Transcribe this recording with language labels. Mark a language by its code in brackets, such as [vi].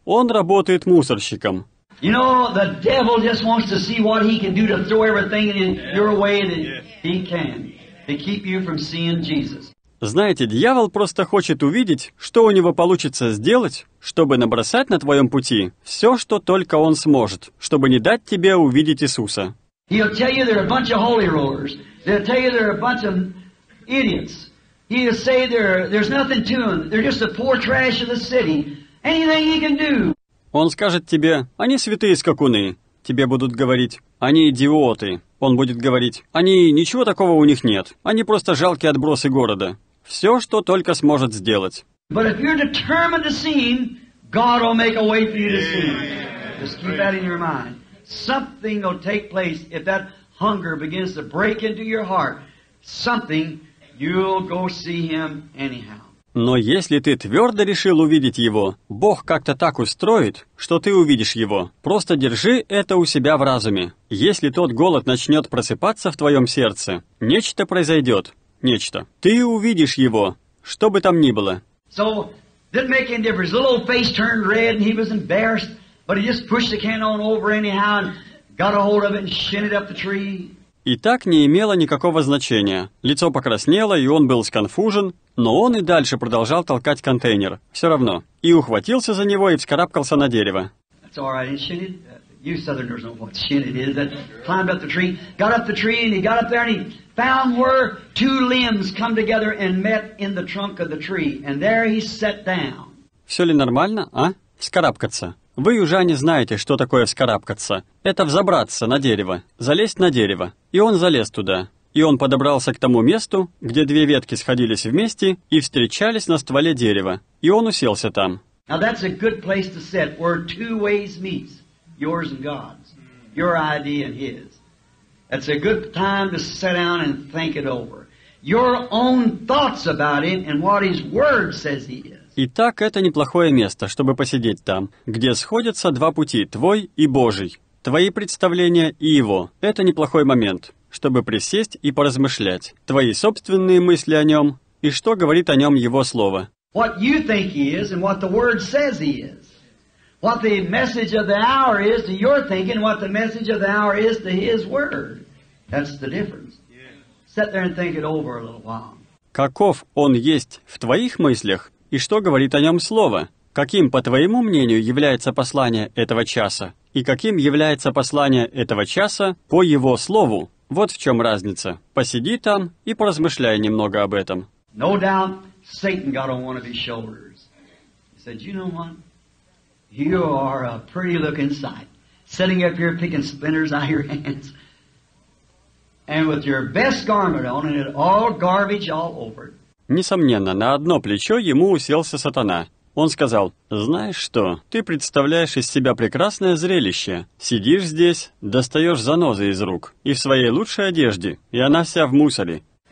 [ru] Он работает мусорщиком. [en] You know, the devil just wants to see what he can do to throw everything in your way that he can to keep you from seeing Jesus. [ru] Знаете, дьявол просто хочет увидеть, что у него получится сделать, чтобы набросать на твоем пути все, что только он сможет, чтобы не дать тебе увидеть Иисуса. [en] He'll tell you they're a bunch of holy rollers. They'll tell you they're a bunch of idiots. He'll say there's nothing to them. They're just the poor trash of the city. Anything he can do. [ru] Он скажет тебе, они святые скакуны. Тебе будут говорить, они идиоты. Он будет говорить, они ничего такого у них нет. Они просто жалкие отбросы города. Все, что только сможет сделать. [en] But if you're determined to see him, God will make a way for you to see him. Just keep that in your mind. Something will take place if that hunger begins to break into your heart. Something, you'll go see him anyhow. [ru] Но если ты твердо решил увидеть его, Бог как-то так устроит, что ты увидишь его. Просто держи это у себя в разуме. Если тот голод начнет просыпаться в твоем сердце, нечто произойдет. Нечто. Ты увидишь его, что бы там ни было. [en] So, didn't make any difference. Little old face turned red and he was embarrassed, but he just pushed the can on over anyhow and got a hold of it and shin it up the tree. [ru] И так не имело никакого значения. Лицо покраснело, и он был сконфужен, но он и дальше продолжал толкать контейнер. Все равно. И ухватился за него и вскарабкался на дерево. [en] That's all right. And shin it. You southerners know what shin it is. That climbed up the tree. Got up the tree, and he got up there, and he found where two limbs come together and met in the trunk of the tree. And there he sat down. [ru] Все ли нормально, а? Вскарабкаться. Вы, южане, знаете, что такое вскарабкаться. Это взобраться на дерево, залезть на дерево. И он залез туда. И он подобрался к тому месту, где две ветки сходились вместе и встречались на стволе дерева. И он уселся там. [en] Now that's a good place to sit, where two ways meet, yours and God's, your idea and his. That's a good time to sit down and think it over. Your own thoughts about him and what his word says he is. [ru] Итак, это неплохое место, чтобы посидеть там, где сходятся два пути, твой и Божий, твои представления и его. Это неплохой момент, чтобы присесть и поразмышлять, твои собственные мысли о нем и что говорит о нем его слово. [en] What you think he is and what the word says he is. What the message of the hour is to your thinking, what the message of the hour is to his word. That's the difference. Sit there and think it over a little while. [ru] Каков он есть в твоих мыслях? И что говорит о нем слово? Каким, по твоему мнению, является послание этого часа? И каким является послание этого часа по его слову? Вот в чем разница. Посиди там и поразмышляй немного об этом. [en] No doubt, Satan got on one of his shoulders. He said, you know what? You are a pretty looking sight. Sitting up here picking splinters out of your hands. And with your best garment on and it all garbage all over it. [ru] Несомненно, на одно плечо ему уселся сатана. Он сказал, «Знаешь что, ты представляешь из себя прекрасное зрелище. Сидишь здесь, достаешь занозы из рук, и в своей лучшей одежде, и она вся в мусоре».